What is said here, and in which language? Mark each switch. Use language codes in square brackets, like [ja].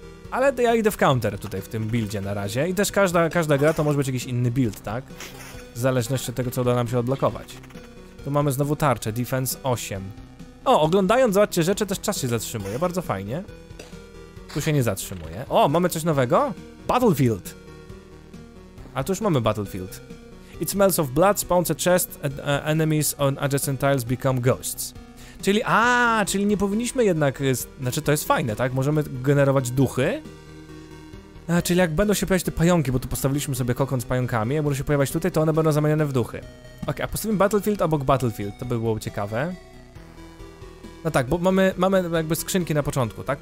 [pl] Ale ja idę w counter tutaj w tym buildzie na razie. I też każda gra to może być jakiś inny build, tak? W zależności od tego, co uda nam się odblokować. Tu mamy znowu tarczę, defense 8. O, oglądając, zobaczcie, rzeczy też czas się zatrzymuje, bardzo fajnie. Tu się nie zatrzymuje. O, mamy coś nowego? Battlefield! A tu już mamy Battlefield. [en] It smells of blood, spawns a chest, and, enemies on adjacent tiles become ghosts. [pl] Czyli, czyli nie powinniśmy jednak, znaczy to jest fajne, tak? Możemy generować duchy. Czyli jak będą się pojawiać te pająki, bo tu postawiliśmy sobie kokon z pająkami, jak będą się pojawiać tutaj, to one będą zamienione w duchy. Okej, a postawimy Battlefield obok Battlefield, to by było ciekawe. No tak, bo mamy jakby skrzynki na początku, tak?